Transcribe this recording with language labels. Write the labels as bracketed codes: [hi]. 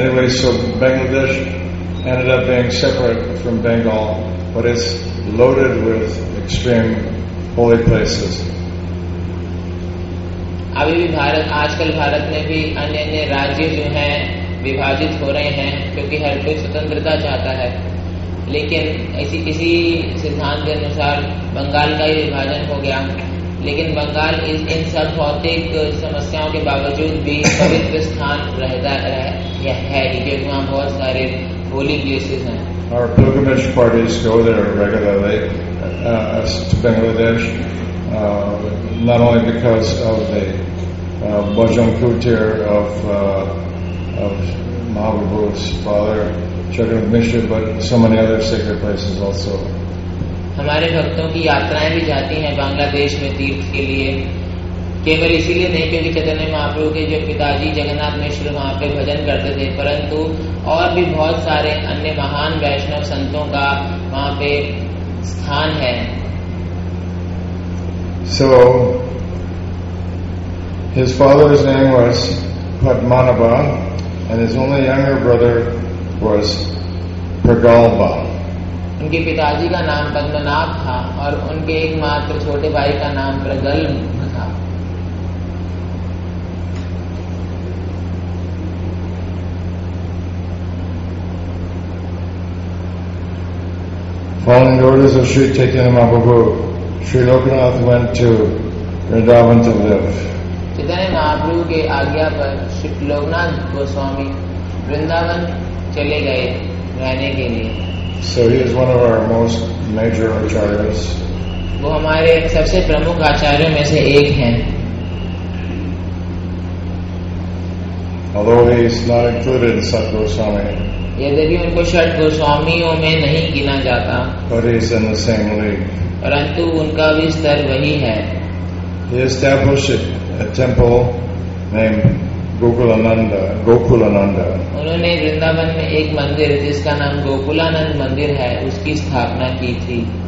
[en] Anyway, so Bangladesh ended up being separate from Bengal, but it's loaded with extreme holy places. [hi] अभी भी भारत आजकल भारत में भी अन्य अन्य राज्य जो हैं विभाजित हो रहे हैं क्योंकि हर कोई स्वतंत्रता चाहता है, लेकिन ऐसी किसी सिद्धांत के अनुसार बंगाल का ही विभाजन हो गया. लेकिन बंगाल इन सब भौतिक समस्याओं के बावजूद भी पवित्र स्थान रहता है क्योंकि वहाँ बहुत सारे [en] holy places [hi] हैं. [en] Our pilgrimage parties go there regularly to Bangladesh, not only because of the bhajan kirtan of Mahaprabhu's father, Chaturmasya, but so many other sacred places also. [hi] हमारे भक्तों की यात्राएं भी जाती हैं बांग्लादेश में तीर्थ के लिए, केवल इसीलिए नहीं क्योंकि चैतन्य महाप्रभु के जो पिताजी जगन्नाथ मिश्र वहां पे भजन करते थे, परंतु और भी बहुत सारे अन्य महान वैष्णव संतों का वहां पे स्थान है. [en] So, his father's name was Padmanabha, and his only younger brother was Pragalba. [hi] उनके पिताजी का नाम पद्मनाभ था और उनके एकमात्र छोटे भाई का नाम प्रगल्भ था. [en] Following orders of Sri Chaitanya Mahaprabhu, Sri Lokanath went to Vrindavan to live. [hi] Chaitanya Mahaprabhu के आज्ञा पर श्री लोकनाथ गोस्वामी वृंदावन चले गए रहने के लिए. [en] So he is one of our most major acharyas. [hi] वो हमारे सबसे प्रमुख आचार्यों में से एक हैं. [en] Although he is not included in Sat Goswami. [hi] यद्यपि उनको षट गोस्वामियों में नहीं गिना जाता. [en] But he is in the same league. [hi] परंतु उनका भी स्तर वही है. [en] He established a temple named Gokulananda. Gokulananda. [hi] उन्होंने वृंदावन में एक मंदिर जिसका नाम गोकुलानंद मंदिर है उसकी स्थापना की थी.